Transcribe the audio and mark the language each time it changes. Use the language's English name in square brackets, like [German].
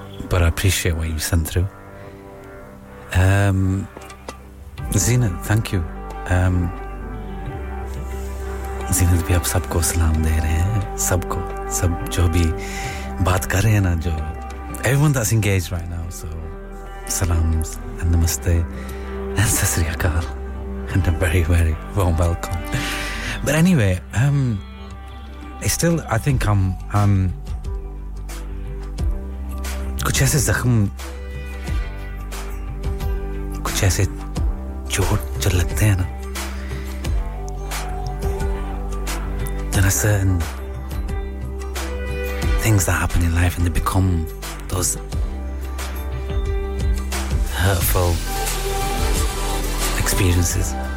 [English] But I appreciate what you sent through. Zina, thank you. [Urdu] زینہ، بھی اب سب کو سلام دے رہے ہیں۔ Sabko. سب جو بھی بات کر رہے ہیں نا جو۔ [English] Everyone that's engaged right now, so salams and namaste and sasri akal and a very, very warm welcome. But anyway, it's still, I think I'm [Urdu] کچھ ایسے زخم، کچھ ایسی چوٹ جو لگتے ہیں نا, [English] there are certain things that happen in life and they become those hurtful experiences.